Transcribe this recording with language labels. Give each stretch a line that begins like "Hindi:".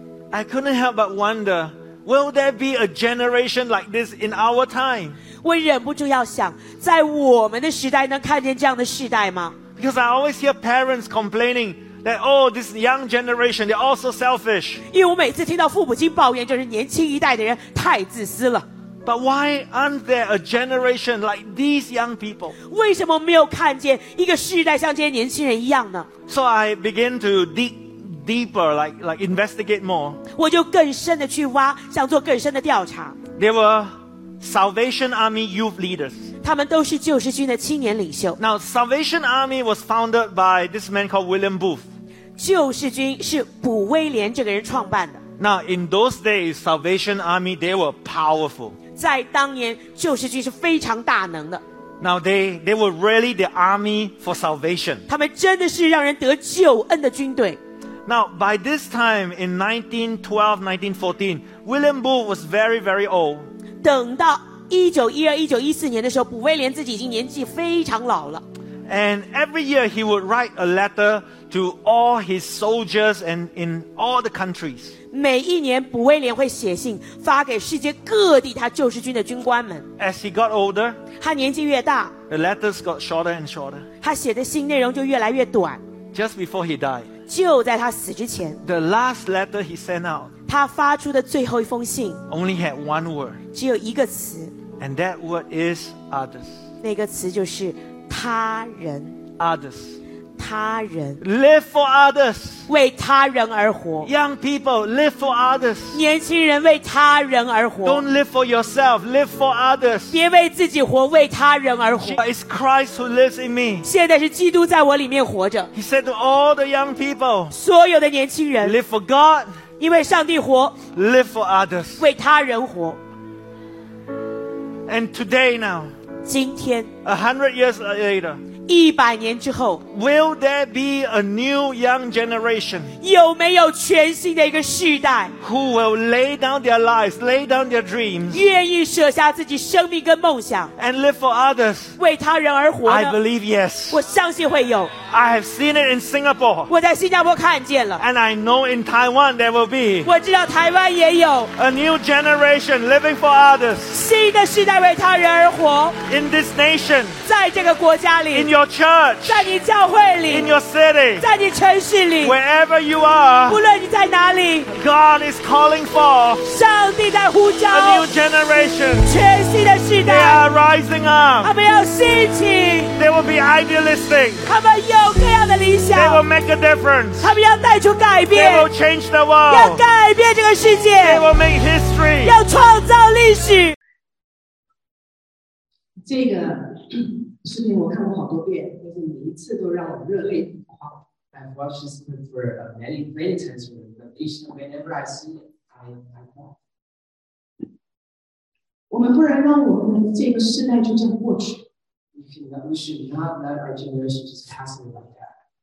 English: I couldn't help but wonder, will there be a generation like this in our time?
Chinese: 我忍不住要想，在我们的时代能看见这样的世代吗？
English: Because I always hear parents complaining that, oh, this young generation, they're all so selfish.
Chinese: 因为我每次听到父母亲抱怨，就是年轻一代的人太自私了。
English: But why aren't there a generation like these young people?
Chinese: 为什么没有看见一个世代像这些年轻人一样呢？
English: So I begin to dig deeper, like investigate more.
Chinese: 我就更深的去挖，想做更深的调查。
English: They were Salvation Army youth leaders.
Chinese: 他们都是救世军的青年领袖。
English: Now, Salvation Army was founded by this man called William Booth.
Chinese: 救世军是卜威廉这个人创办的。
English: Now, in those days, Salvation Army, they were powerful.
Chinese: 在当年，救世军是非常大能的。
English: Now, they were really the army for salvation.
Chinese: 他们真的是让人得救恩的军队。
English: Now, by this time, in 1912, 1914, William Booth was very, very old.
Chinese: 等到1912-1914年的时候，卜威廉自己已经年纪非常老了。
English: And every year he would write a letter to all his soldiers and in all the countries.
Chinese: 每一年卜威廉会写信发给世界各地他救世军的军官们。
English: As he got older,
Chinese: 他年纪越大，
English: the letters got shorter and shorter.
Chinese: 他写的信内容就越来越短。
English: Just before he died,
Chinese: 就在他死之前，
English: the last letter he sent out,
Chinese: 他发出的最后一封信，
English: only had one word,
Chinese: 只有一个词，
English: and that word is others.
Chinese: 那个词就是他人，
English: others，
Chinese: 他人，
English: live for others，
Chinese: 为他人而活。
English: Young people, live for others，
Chinese: 年轻人为他人而活。
English: Don't live for yourself, live for others，
Chinese: 别为自己活，为他人而活。
English: It's Christ who lives in me，
Chinese: 现在是基督在我里面活着。
English: He said to all the young people，
Chinese: 所有的年轻人，
English: live for God，
Chinese: 因为上帝活，
English: live for others，
Chinese: 为他人活。
English: And today now，100 years later,
Chinese: 100年之后,
English: will there be a new young generation?
Chinese: 有没有全新的一个世代？
English: Who will lay down their lives, lay down their dreams,
Chinese: 愿意舍下自己生命跟梦想？
English: And live for others,
Chinese: 为他人而活呢？
English: I believe yes.
Chinese: 我相信会有。
English: I have seen it in Singapore.
Chinese: 我在新加坡看见了。
English: And I know in Taiwan there will be.
Chinese: 我知道台湾也有。
English: A new generation living for others.
Chinese: 新的世代为他人而活。
English: In this nation.
Chinese: 在这个国家里。
English: In your church.
Chinese: 在你教会里。
English: In your city.
Chinese: 在你城市里。
English: Wherever you are.
Chinese: 不论你在哪里。
English: God is calling for.
Chinese: 上帝在呼召。
English: A new generation.
Chinese: 全新的世代。
English: They are rising up.
Chinese: 他们要兴起。
English: They will be idealistic.
Chinese: 他们有各样的理想。
English: They will make a difference.
Chinese: 他们要带出改变。
English: They will change the world.
Chinese: 要改变这个世界。
English: They will make history.
Chinese: 要创造历史。这个视频我看过好多遍，但是每一次都让我热泪盈眶。
English: I've watched this movie for many, many times, but each time whenever I see it, I cry.
Chinese: 我们不能让我们这个世代就这样过去。
English: We should not let our generation just pass away like that.